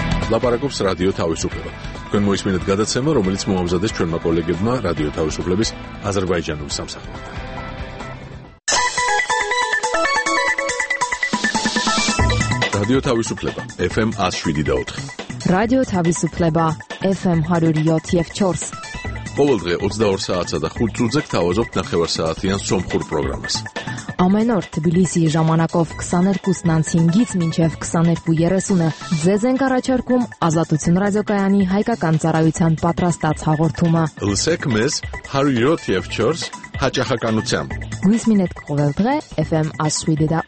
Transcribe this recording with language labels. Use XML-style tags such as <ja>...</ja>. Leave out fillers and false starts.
<ka>Лапарагубс радио თავისუფლება. Თქვენ მოისმინეთ გადაცემა, რომელიც მომამზადეს ჩვენმა კოლეგებმა რადიო თავისუფლების აზერბაიჯანულ სამსახურთან. Радио თავისუფლება FM 107.4. Радио თავისუფლება FM 107.4. ყოველ დღე 22 საათსა და 5 წუთზე გთავაზობთ 9:00-იან სომხურ პროგრამას.</ka> <hy>Ամենօր Թբիլիսիի ժամանակով 22:05-ից մինչև 22:30-ը ձեզ ենք առաջարկում Ազատություն ռադիոկայանի հայկական ծառայության պատրաստած հաղորդումը։ Լսեք մեզ 107.4 հաճախականությամբ։ Գույս մինետ կողել դղե FM 107.0</hy>